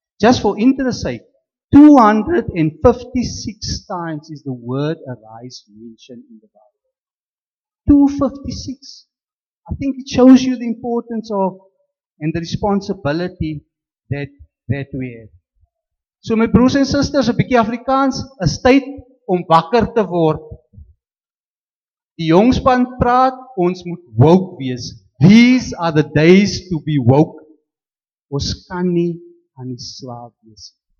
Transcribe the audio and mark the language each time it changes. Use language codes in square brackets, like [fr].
[en] Just for interest's sake, 256 times is the word arise mentioned in the Bible. 256. I think it shows you the importance of and the responsibility that we have. [af] So my broers en susters, 'n bietjie Afrikaans, is tyd om wakker te word. Die jong span praat, ons moet woke wees. [en] These are the days to be woke. [af] Ons kan nie aan die slaap wees.